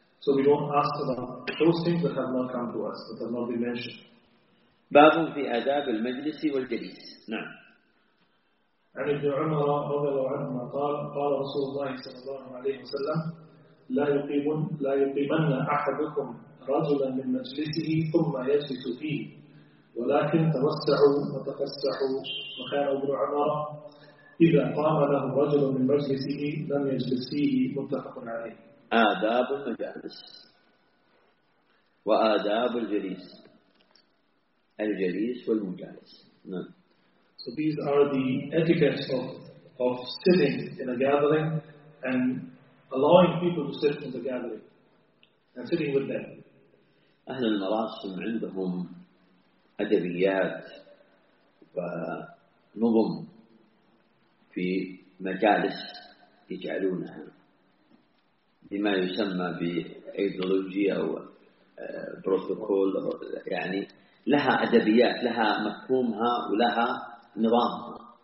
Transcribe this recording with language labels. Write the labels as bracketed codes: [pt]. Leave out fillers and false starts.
[en] So we don't ask about those things that have not come to us, that have not been mentioned. [ar] باب في آداب المجلس والجليس. نعم. عن ابن عمر رضي الله عنهما قال: قال رسول الله صلى الله عليه وسلم: لا يقيمن أحدكم رجلا من مجلسه ثم يجلس فيه، ولكن توسعوا وتفسحوا. وكان ابن عمر إذا قام له رجل من مجلسه لم يجلس فيه. متفق عليه. آداب المجالس وآداب الجليس، الجليس والمجالس. نعم. [en] So these are the etiquettes of sitting in a gathering and allowing people to sit in the gathering and sitting with them. [ar] أهل المراسم عندهم أدبيات ونظم في مجالس يجعلونها بما يسمى بأيديولوجيا أو بروتوكول، يعني لها أدبيات، لها مفهومها ولها نظامها.